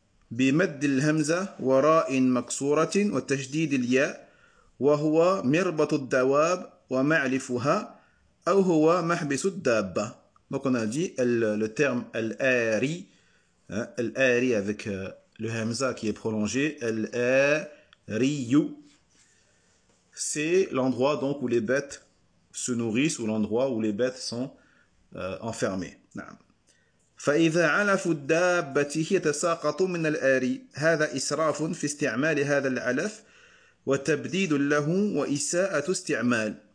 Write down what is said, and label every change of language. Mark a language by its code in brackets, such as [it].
[ar] بمد الهمزة وراء مكسورة وتشديد الياء وهو مربط الدواب ومعلفها أو هو محبس الدابة. [fr] Donc on a dit le terme al-ari, al-ari avec le hamza qui est prolongé, al-ari-yu. C'est l'endroit donc où les bêtes se nourrissent ou l'endroit où les bêtes sont enfermées. [ar] فإذا علف الدابة يتساقط من الآري هذا إسراف في استعمال هذا العلف وتبديد له وإساءة استعمال.